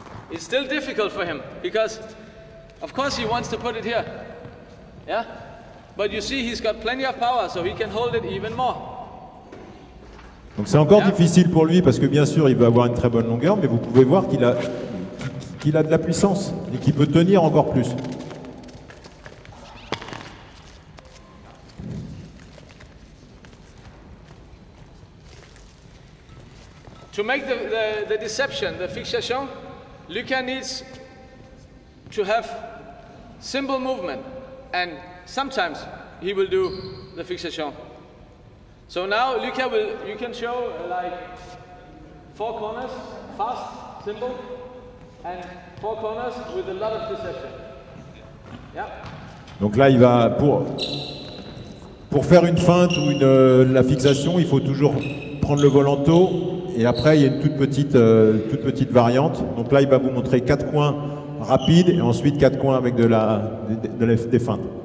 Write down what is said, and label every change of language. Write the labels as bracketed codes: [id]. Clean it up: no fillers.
[en] It's still difficult for him because, of course, he wants to put it here. Yeah. But you see, he's got plenty of power, so he can hold it even more. [fr] Donc c'est encore difficile pour lui parce que bien sûr il veut avoir une très bonne longueur, mais vous pouvez voir qu'il a de la puissance et qu'il peut tenir encore plus. [en] To make the deception, the fixation, Lucas needs to have simple movement and sometimes he will do the fixation. So now Lucas will, you can show like four corners, fast, simple, and four corners with a lot of deception. Yeah. [fr] Donc là, il va pour faire une feinte ou la fixation, il faut toujours prendre le volant tôt. Et après, il y a une toute petite variante. Donc là, il va vous montrer quatre coins rapides et ensuite quatre coins avec des feintes.